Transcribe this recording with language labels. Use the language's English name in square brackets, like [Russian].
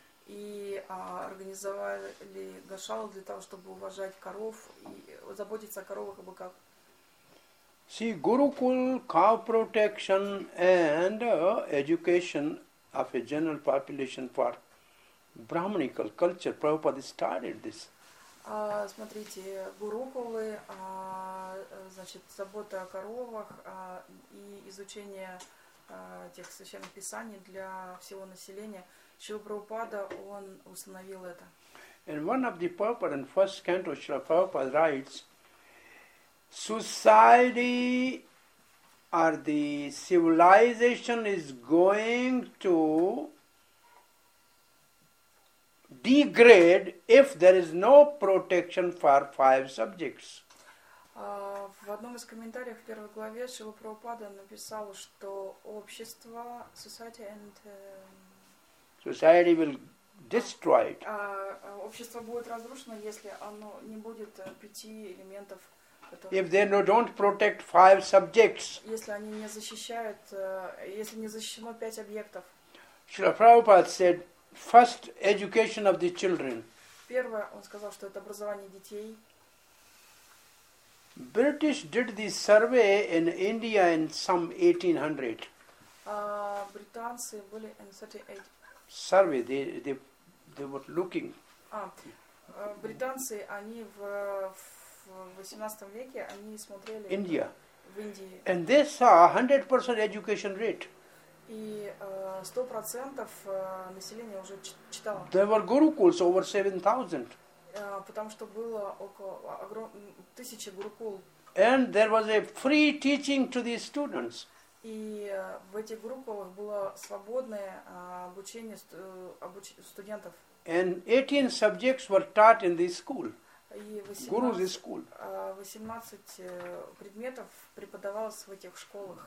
[Russian] И организовали гашалу для того, чтобы уважать коров и заботиться о коровах и быках. [English] See, Gurukul, cow protection and education of a general population for Brahminical culture. Prabhupada started this. [Russian] Смотрите, гурукулы, значит, забота о коровах и изучение тех священных писаний для всего населения. Шрила Прабхупада, он установил это. [English] In one of the purport and first canto, Shrila Prabhupada writes, society or the civilization is going to degrade if there is no protection for five subjects. [Russian] В одном из комментариев в первой главе Шрила Прабхупада написал, что общество, [English] society and... Society will destroy it. [Russian] Общество будет разрушено, если оно не будет пяти элементов. [English] If they don't protect five subjects. [Russian] Если они не защищают, если не защищено пять объектов. [English] Srila Prabhupada said, first education of the children. [Russian] Первое, он сказал, что это образование детей. [English] British did this survey in India in some 1800. [Russian] Британцы были [English] in 1800. Survey, they were looking. [Russian] Британцы, они в 18 веке, они смотрели [English] India. [Russian] В Индии. [English] And they saw 100% education rate. [Russian] И 100% населения уже читало. [English] There were gurukuls over 7,000. [Russian] Потому что было около 1000 гурукул. [English] And there was a free teaching to the students. [Russian] И в этих группах было свободное обучение студентов. [English] And 18 subjects were taught in this school. Guru's school. [Russian] 18 предметов преподавалось в этих школах.